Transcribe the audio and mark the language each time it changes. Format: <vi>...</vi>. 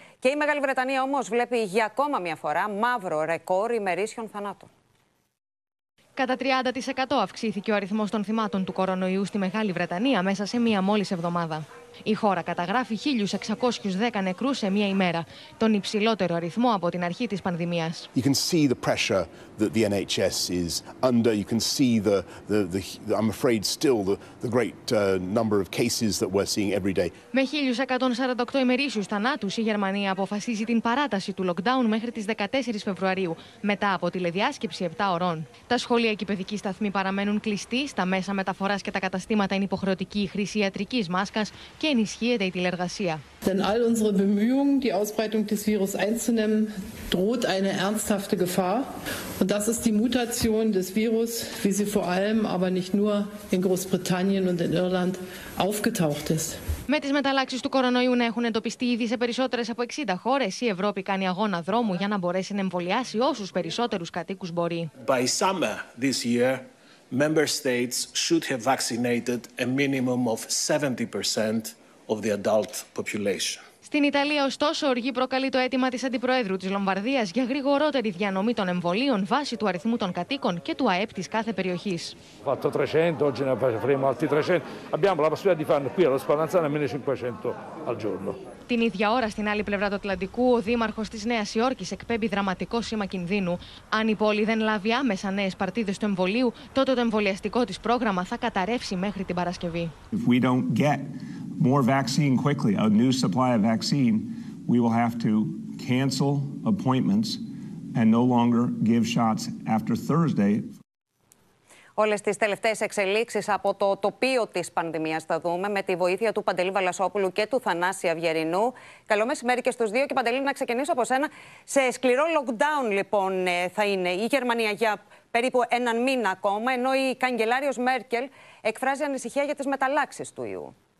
<el>Και η Μεγάλη Βρετανία όμως βλέπει για ακόμα μια φορά μαύρο ρεκόρ ημερήσιων θανάτων. Κατά 30% αυξήθηκε ο αριθμός των θυμάτων του κορονοϊού στη Μεγάλη Βρετανία μέσα σε μία μόλις εβδομάδα. Η χώρα καταγράφει 1.610 νεκρούς σε μία ημέρα, τον υψηλότερο αριθμό από την αρχή της πανδημίας.</el> <en>You can see the pressure that the NHS is under. You can see the I'm afraid still the great number of cases that we're seeing every day.</en> <el>Με 1.148 ημερήσιους θανάτους, η Γερμανία αποφασίζει την παράταση του lockdown μέχρι τις 14 Φεβρουαρίου, μετά από τηλεδιάσκεψη 7 ωρών. Τα σχολεία και οι παιδικοί σταθμοί παραμένουν κλειστοί, στα μέσα μεταφοράς και τα καταστήματα είναι υποχρεωτική η χρήση ιατρικής μάσκας και ενισχύεται η τηλεργασία.</el> <de>Denn all unsere Bemühungen, die Ausbreitung des Virus einzunehmen, droht eine ernsthafte Gefahr. Und das ist die Mutation des Virus, wie sie vor allem, aber nicht nur in Großbritannien und in Irland aufgetaucht ist.</de> <el>Με τις μεταλλάξεις του κορονοϊού να έχουν εντοπιστεί ήδη σε περισσότερες από 60 χώρες, η Ευρώπη κάνει αγώνα δρόμου για να μπορέσει να εμβολιάσει όσους περισσότερους κατοίκους μπορεί.</el> <en>By summer this year, member states should have vaccinated a minimum of 70% of the adult population.</en> <el>Στην Ιταλία, ωστόσο, οργή προκαλεί το αίτημα της Αντιπροέδρου της Λομβαρδίας για γρηγορότερη διανομή των εμβολίων βάσει του αριθμού των κατοίκων και του ΑΕΠ της κάθε περιοχής.</el> <it>Φατώ 300, oggi ne faremo altri 300. Abbiamo la possibilità di farne qui allo Spallanzani 1500 al giorno.</it> <el>Την ίδια ώρα, στην άλλη πλευρά του Ατλαντικού, ο δήμαρχος της Νέας Υόρκης εκπέμπει δραματικό σήμα κινδύνου. Αν η πόλη δεν λάβει άμεσα νέες παρτίδες του εμβολίου, τότε το εμβολιαστικό της πρόγραμμα θα καταρρεύσει μέχρι την Παρασκευή.</el> <en>If we don't get more vaccine quickly, a new supply of vaccine, we will have to cancel appointments and no longer give shots after Thursday.</en> <el>Όλες τις τελευταίες εξελίξεις από το τοπίο της πανδημίας θα δούμε με τη βοήθεια του Παντελή Βαλασόπουλου και του Θανάση Αυγερινού. Καλό μεσημέρι και στους δύο. Και Παντελή, να ξεκινήσω από σένα. Σε σκληρό lockdown, λοιπόν, θα είναι η Γερμανία για περίπου έναν μήνα ακόμα, ενώ η καγκελάριος Μέρκελ εκφράζει ανησυχία για τις μεταλλάξεις του ιού.</el>